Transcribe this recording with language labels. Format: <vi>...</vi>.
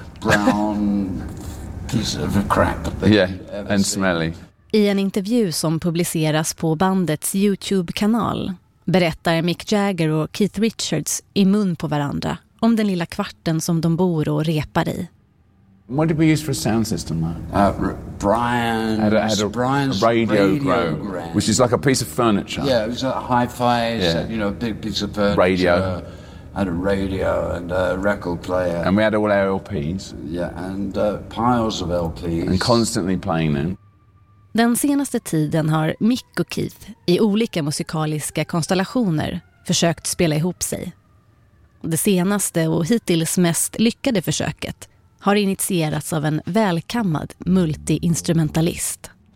<en>Brown piece of crap. Yeah, and smelly.</en> <sv>I en intervju som publiceras på bandets YouTube-kanal berättar Mick Jagger och Keith Richards i mun på varandra om den lilla kvarten som de bor och repar i.</sv> <en>What did we use for a sound system? Brian's radiogram, which is like a piece of furniture. Yeah, it was a hi-fi, yeah. You know, a big piece of furniture. Radio. Had a radio and a record player. And we had all our LPs. Yeah, and piles of LPs. And constantly playing them.</en> <sv>Den senaste tiden har Mick och Keith i olika musikaliska konstellationer försökt spela ihop sig. Det senaste och hittills mest lyckade försöket har initierats av en välkammad multiinstrumentalist.</sv>